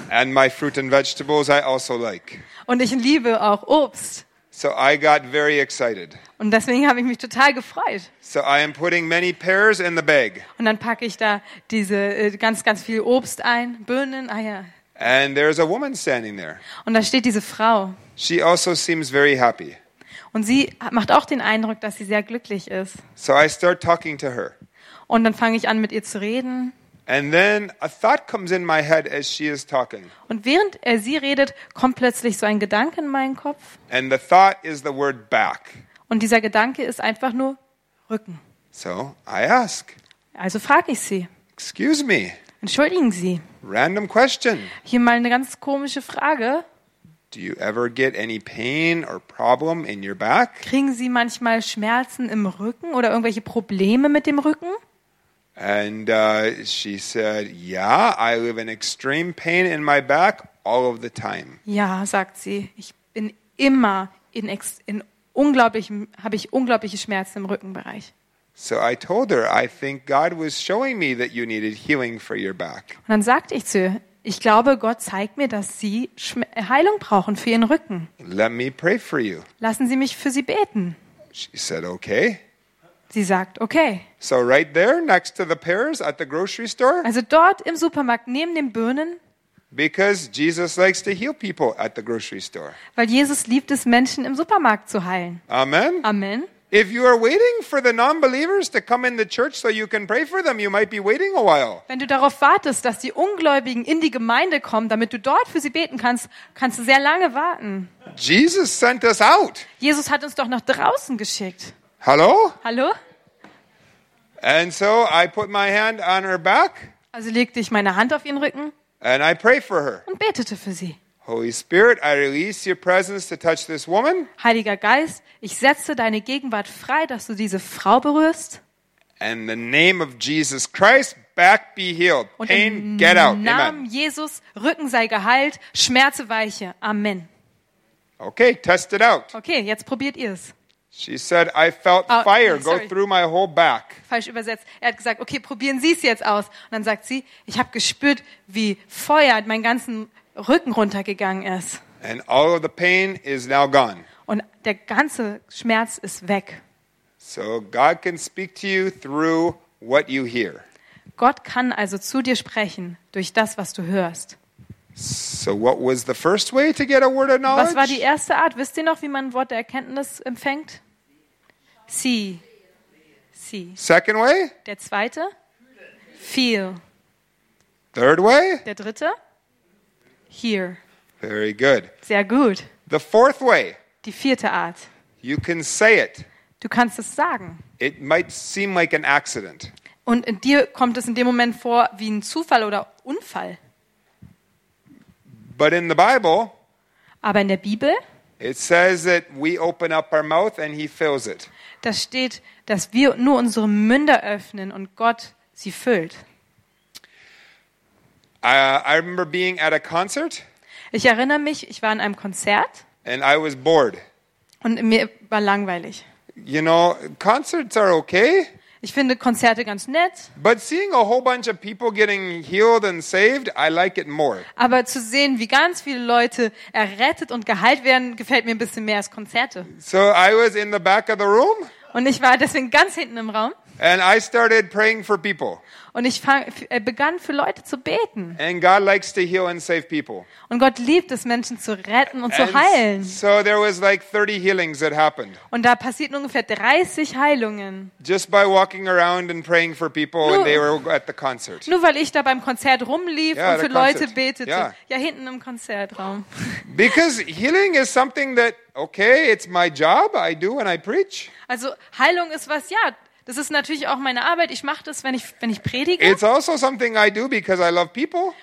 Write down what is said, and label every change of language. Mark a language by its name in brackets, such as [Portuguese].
[English] And my fruit and vegetables I also like. [German] Und ich liebe auch Obst. [English] So I got very excited. [German] Und deswegen habe ich mich total gefreut. [English] So I am putting many pears in the bag. [German] Und dann packe ich da diese ganz ganz viel Obst ein, Birnen, Eier. [English] And there is a woman standing there. [German] Und da steht diese Frau. [English] She also seems very happy. [German] Und sie macht auch den Eindruck, dass sie sehr glücklich ist. [English] So I start talking to her. [German] Und dann fange ich an, mit ihr zu reden. [English] And then a thought comes in my head as she is talking. [German] Und während er sie redet, kommt plötzlich so ein Gedanke in meinen Kopf. [English] And the thought is the word back. [German] Und dieser Gedanke ist einfach nur Rücken. [English] So I ask. [German] Also frage ich sie. [English] Excuse me. [German] Entschuldigen Sie. [English] Random question. [German] Hier mal eine ganz komische Frage. [English] Do you ever get any pain or problem in your back? [German] Kriegen Sie manchmal Schmerzen im Rücken oder irgendwelche Probleme mit dem Rücken? [English] And she said, "Yeah, I live in extreme pain in my back all of the time." [German] Ja, sagt sie, ich bin immer habe ich unglaubliche Schmerzen im Rückenbereich. [English] So I told her, "I think God was showing me that you needed healing for your back." [German] Und dann sagte ich zu ihr, ich glaube, Gott zeigt mir, dass Sie Heilung brauchen für Ihren Rücken. [English] Let me pray for you. [German] Lassen Sie mich für Sie beten. [English] She said, okay. [German] Sie sagt, okay. [English] So right there next to the pears at the grocery store. [German] Also dort im Supermarkt neben den Birnen. [English] Because Jesus likes to heal people at the grocery store. [German] Weil Jesus liebt es, Menschen im Supermarkt zu heilen. [English] Amen. [German] Amen. [English] If you are waiting for the non-believers to come in the church so you can pray for them, you might be waiting a while. [German] Wenn du darauf wartest, dass die Ungläubigen in die Gemeinde kommen, damit du dort für sie beten kannst, kannst du sehr lange warten. [English] Jesus sent us out. [German] Jesus hat uns doch nach draußen geschickt. [English] Hallo? [German] Hallo? [English] And so I put my hand on her back. [German] Also legte ich meine Hand auf ihren Rücken. [English] And I pray for her. [German] Und betete für sie. [English] Holy Spirit, I release your presence to touch this woman. [German] Heiliger Geist, ich setze deine Gegenwart frei, dass du diese Frau berührst. [English] In the name of Jesus Christ, back be healed. Pain, get out. [German] Im Namen Jesus, Rücken sei geheilt, Schmerze weiche. [English] Amen. Okay, test it out. [German] Okay, jetzt probiert ihr es. [English] She said, I felt fire go through my whole back. [German] Falsch übersetzt. Er hat gesagt, okay, probieren Sie es jetzt aus. Und dann sagt sie, ich habe gespürt, wie Feuer meinen ganzen Rücken runtergegangen ist. [English] And all of the pain is now gone. [German] Und der ganze Schmerz ist weg. [English] So God can speak to you through what you hear. [German] Gott kann also zu dir sprechen durch das, was du hörst. [English] So what was the first way to get a word of knowledge? [German] Was war die erste Art? Wisst ihr noch, wie man ein Wort der Erkenntnis empfängt? [English] See. See. Second way? [German] Der zweite? Feel. [English] Third way? [German] Der dritte? Here. [English] Very good. [German] Sehr gut. [English] The fourth way. [German] Die vierte Art. [English] You can say it. [German] Du kannst es sagen. [English] It might seem like an accident. [German] Und in dir kommt es in dem Moment vor wie ein Zufall oder Unfall. [English] But in the Bible, [German] aber in der Bibel, [English] it says that we open up our mouth and he fills it. [German] Da steht, dass wir nur unsere Münder öffnen und Gott sie füllt. [English] I remember being at a concert. [German] Ich erinnere mich, ich war in einem Konzert. [English] And I was bored. [German] Und mir war langweilig. [English] You know, concerts are okay. [German] Ich finde Konzerte ganz nett. [English] But seeing a whole bunch of people getting healed and saved, I like it more. [German] Aber zu sehen, wie ganz viele Leute errettet und geheilt werden, gefällt mir ein bisschen mehr als Konzerte. [English] So I was in the back of the room. [German] Und ich war deswegen ganz hinten im Raum. [English] And I started praying for people. [German] Und ich begann für Leute zu beten. [English] And God likes to heal and save people. [German] Und Gott liebt es, Menschen zu retten und zu heilen. [English] So there was like 30 healings that happened. [German] Und da passierten ungefähr 30 Heilungen. [English] Just by walking around and praying for people and they were at the concert. [German] Nur weil ich da beim Konzert rumlief und für Leute betete. Yeah. Ja, hinten im Konzertraum. [English] Because healing is something that, okay, it's my job, I do and I preach. [German] Also Heilung ist was, ja. Das ist natürlich auch meine Arbeit. Ich mache das, wenn ich predige. [English] It's also something I do because I love people.